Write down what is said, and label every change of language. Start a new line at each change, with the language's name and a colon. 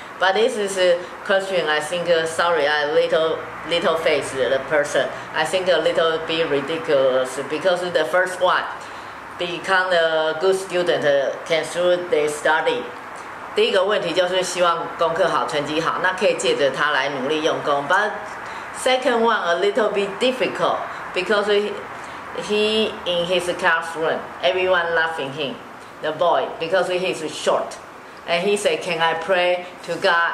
English: But this is a question, I think, sorry, I little face the person. I think a little bit ridiculous, because the first one, become a good student, can through their study.
Chinese: 第一个问题就是希望功课好，成绩好，那可以借着他来努力用功。
English: But second one, a little bit difficult, because he in his classroom, everyone laughing him, the boy, because he is short. And he said, can I pray to God?